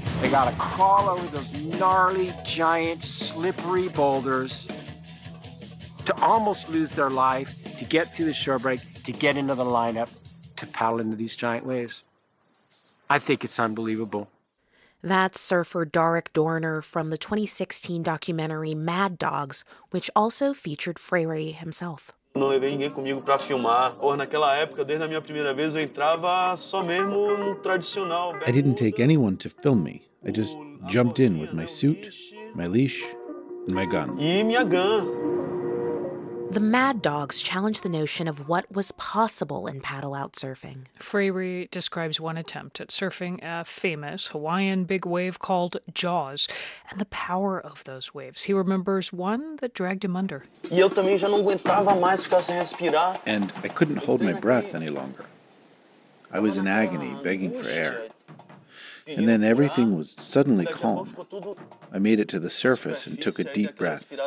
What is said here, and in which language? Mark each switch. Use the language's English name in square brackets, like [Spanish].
[English] They gotta crawl over those gnarly, giant, slippery boulders to almost lose their life, to get through the shore break, to get into the lineup, to paddle into these giant waves. I think it's unbelievable. That's surfer Derek Dorner from the 2016 documentary Mad Dogs, which also featured Freire himself. [Portuguese] Não levei ninguém comigo para filmar. Ou naquela época, desde a minha primeira vez, eu entrava só mesmo no tradicional. [English] I didn't take anyone to film me. I just jumped in with my suit, my leash, and my gun. [Portuguese] E minha gun. [English] The Mad Dogs challenged the notion of what was possible in paddle-out surfing. Freire describes one attempt at surfing a famous Hawaiian big wave called Jaws and the power of those waves. He remembers one that dragged him under. [Portuguese] E eu também já não aguentava mais ficar sem respirar. [English] And I couldn't hold my breath any longer. I was in agony, begging for air. And then everything was suddenly calm. I made it to the surface and took a deep breath.